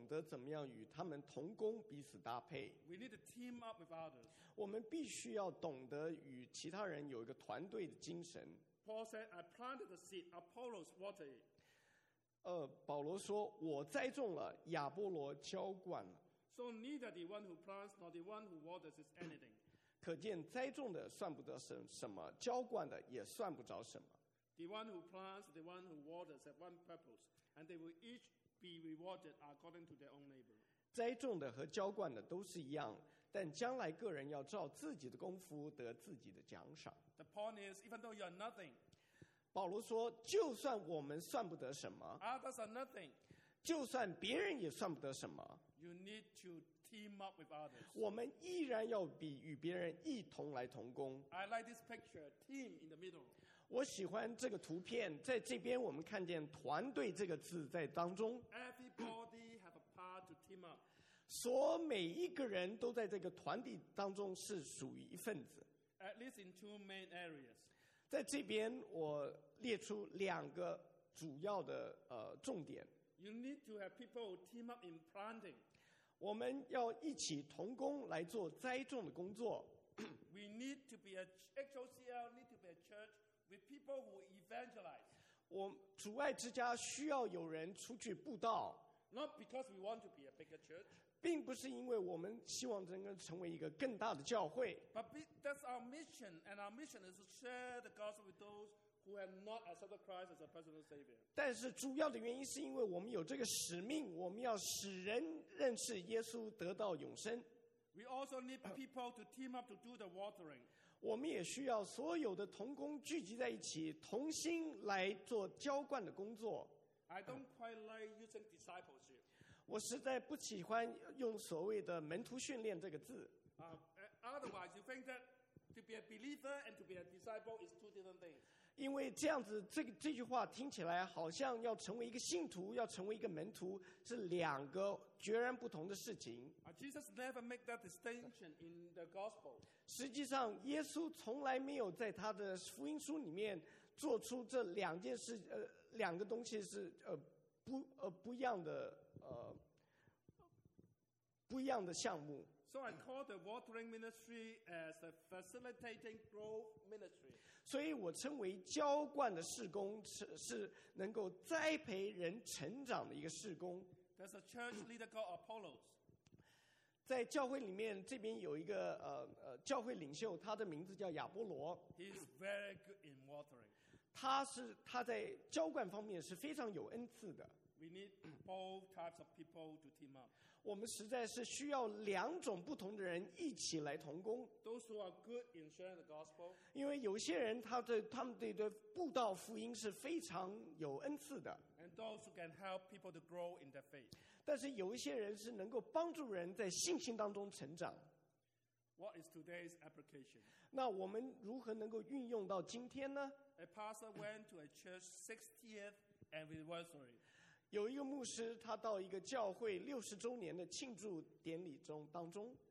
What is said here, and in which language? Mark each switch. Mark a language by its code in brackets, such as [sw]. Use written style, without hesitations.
[zh] 但是最重要的是，你必须要懂得怎么样与他们同工，彼此搭配。 [en] We need to team up with others. [zh] 我们必须要懂得与其他人有一个团队的精神。 [en] Paul said, "I planted the seed, Apollos watered it." [zh] 保罗说，我栽种了，亚波罗浇灌了。 [en] So neither the one who plants nor the one who waters is anything. [zh] 可见栽种的算不得什么，浇灌的也算不着什么。 [en] The one who plants, the one who waters have one purpose, and they will each be rewarded according to their own labor. [zh] 栽种的和浇灌的都是一样，但将来个人要照自己的功夫得自己的奖赏。 [en] The point is, even though you are nothing, [zh] 保罗说，就算我们算不得什么 [en] ，others are nothing, [zh] 就算别人也算不得什么 [en] ，you need to team up with others. [zh] 我们依然要比与别人一同来同工。 [en] I like this picture, team in the middle. [zh] 我喜欢这个图片，在这边我们看见"团队"这个字在当中。 [en] Everybody have a part to team up. [zh] 所以每一个人都在这个团体当中是属于一份子。 [en] At least in two main areas. [zh] 在这边我列出两个主要的重点。 [en] You need to have people team up in planting. [zh] 我们要一起同工来做栽种的工作。 [en] We need to be a HOCL need to be a church with people who evangelize. [zh] 我主爱之家需要有人出去布道。 [en] Not because we want to be a bigger church. [zh] 并不是因为我们希望能够成为一个更大的教会。 [en] But that's our mission, and our mission is to share the gospel with those who have not accepted Christ as a personal savior. [zh] 但是主要的原因是因为我们有这个使命，我们要使人认识耶稣，得到永生。 [en] We also need people to team up to do the watering. [zh] 我们也需要所有的同工聚集在一起，同心来做浇灌的工作。 [en] I don't quite like using discipleship. [zh] 我实在不喜欢用所谓的门徒训练这个字。 [en] Otherwise, you think that to be a believer and to be a disciple is two different things. [zh] 因为这样子，这句话听起来好像要成为一个信徒，要成为一个门徒，是两个截然不同的事情。 [en] Jesus never made that distinction in the gospel. [zh] 实际上，耶稣从来没有在他的福音书里面做出这两件事，两个东西是不一样的。不一样的项目。 [en] So I call the watering ministry as the facilitating growth ministry. [zh] 所以我称为浇灌的事工 是能够栽培人成长的一个事工。 [en] There's a church leader called Apollos. [zh] 在教会里面，这边有一个教会领袖，他的名字叫亚波罗。 [en] He's very good in watering. [zh] 他在浇灌方面是非常有恩赐的。 [en] We need both types of people to team up. [zh] 我们实在是需要两种不同的人一起来同工。 [en] Those who are good in sharing the gospel. [zh] 因为有些人他们对布道福音是非常有恩赐的。 [en] And those who can help people to grow in their faith. [zh] 但是有一些人是能够帮助人在信心当中成长。 [en] What is today's application? [zh] 那我们如何能够运用到今天呢？ [en] A pastor went to a church 60th anniversary. [zh] 有一个牧师，他到一个教会60周年的庆祝典礼中当中。